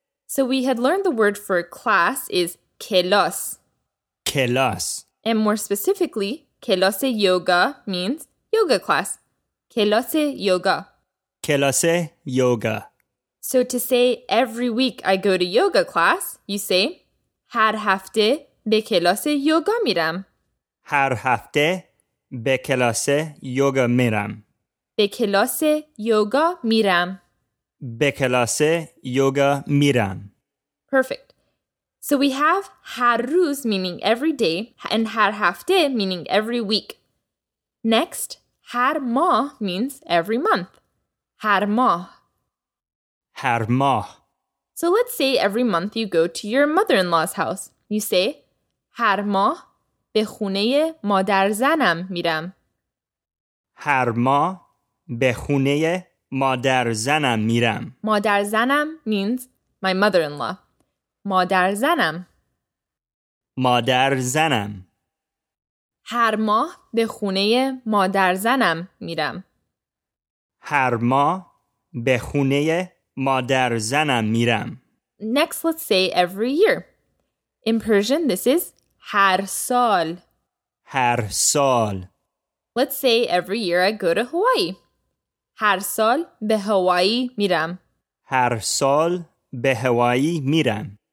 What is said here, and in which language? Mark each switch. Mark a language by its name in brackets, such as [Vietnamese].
[English] So we had learned the word for class is kelas. Kelas. And more specifically, [Persian] kelase yoga [English] means yoga class. Kelase yoga. Kelase yoga. So to say every week I go to yoga class, you say [Persian] هر هفته به کلاس یوگا میرم. هر هفته به کلاس یوگا میرم. به کلاس یوگا میرم. به کلاس یوگا میرم. [English] Perfect. So we have [Persian] هر روز [English] meaning every day and [Persian] هر هفته [English] meaning every week. Next, [Persian] هر ماه [English] means every month. [Persian] هر ماه. هر ماه. [English] So let's say every month you go to your mother-in-law's house. You say, [Persian] هر ماه به خونه مادرزنم میرم. هر ماه به خونه مادرزنم میرم. مادرزنم [English] means my mother-in-law. [Persian] مادرزنم. مادرزنم. هر ماه به خونه مادرزنم میرم. هر ماه به خونه مادرزنم میرم. [English] Next, let's say every year. In Persian, this is [Persian] هر سال. هر سال. [English] Let's say every year I go to Hawaii. [Persian] هر سال به هوایی میرم. هر سال به هوایی میرم.